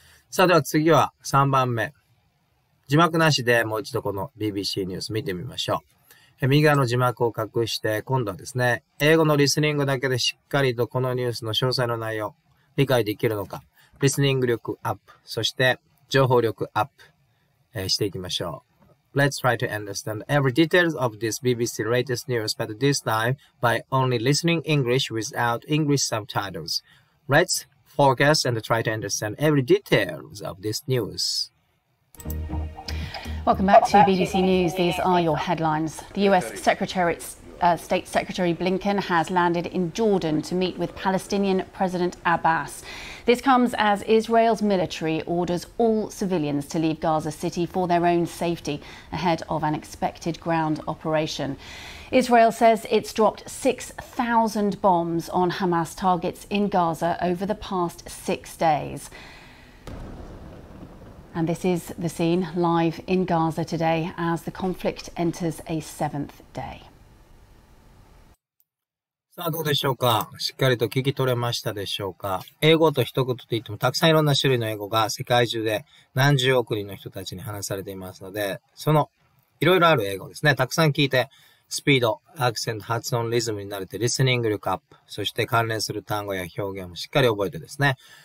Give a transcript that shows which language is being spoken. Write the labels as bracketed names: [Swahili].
[Japanese] さあ、では次は3番目。字幕なしでもう一度この BBC ニュース見てみましょう。右側の字幕を隠して、今度はですね、英語のリスニングだけでしっかりとこのニュースの詳細の内容、理解できるのか、リスニング力アップ、そして情報力アップ、していきましょう。 [English] Let's try to understand every details of this BBC latest news, but this time by only listening English without English subtitles. Let's focus and try to understand every details of this news. Welcome back to BBC News. These are your headlines. The US State Secretary Blinken has landed in Jordan to meet with Palestinian President Abbas. This comes as Israel's military orders all civilians to leave Gaza City for their own safety ahead of an expected ground operation. Israel says it's dropped 6,000 bombs on Hamas targets in Gaza over the past 6 days. And this is the scene live in Gaza today as the conflict enters a seventh day. [Japanese] さあどうでしょうか。しっかりと聞き取れましたでしょうか。英語と一言と言ってもたくさんいろんな種類の英語が世界中で何十億人の人たちに話されていますので、そのいろいろある英語ですね。たくさん聞いてスピード、アクセント、発音、リズムに慣れてリスニング力アップ、そして関連する単語や表現もしっかり覚えてですね。